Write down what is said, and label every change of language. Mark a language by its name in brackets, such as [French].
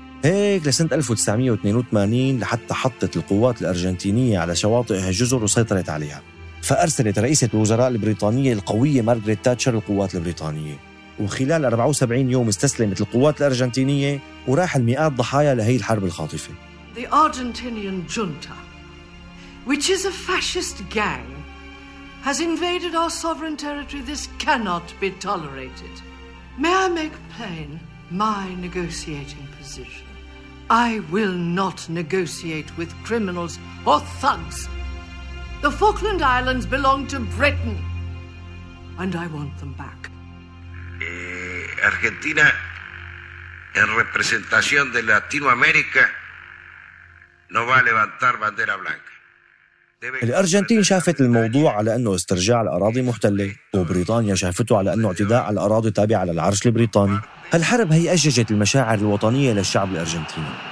[Arabic] هيك لسنة 1982 لحتى حطت القوات الأرجنتينية على شواطئ هالجزر وسيطرت عليها. فأرسلت رئيسة الوزراء البريطانية القوية مارغريت تاتشر القوات البريطانية وخلال 74 يوم استسلمت القوات الأرجنتينية وراح المئات ضحايا لهي الحرب الخاطفة. [English] The Argentinian junta, which is a fascist gang, has invaded our sovereign territory. This cannot be tolerated. May I make plain my negotiating position? I will not negotiate with criminals or thugs. The Falkland Islands belong to Britain, and I want them back. [Spanish] Argentina, en representación de Latinoamérica, no va a levantar bandera blanca. [Arabic] الأرجنتين شافت الموضوع على أنه استرجاع الأراضي محتلة وبريطانيا شافته على أنه اعتداء على الأراضي التابعة للعرش البريطاني. هالحرب هي أججت المشاعر الوطنية للشعب الأرجنتيني.